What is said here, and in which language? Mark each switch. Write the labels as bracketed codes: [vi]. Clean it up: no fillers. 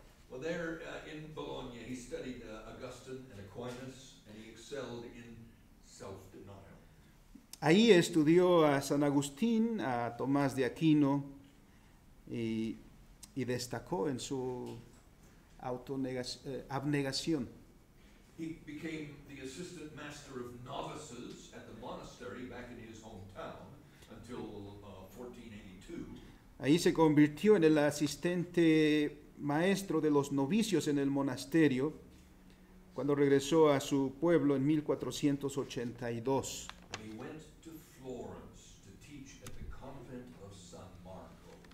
[en] Well, there in Bologna, he studied Augustine and Aquinas, and he excelled in self-denial. [es] Ahí estudió a San Agustín, a Tomás de Aquino, y destacó en su abnegación. [en] He became the assistant master of novices at the monastery back in his hometown until 1482. [es] Ahí se convirtió en el asistente maestro de los novicios en el monasterio cuando regresó a su pueblo en 1482. [en] He went to Florence to teach at the convent of San Marco.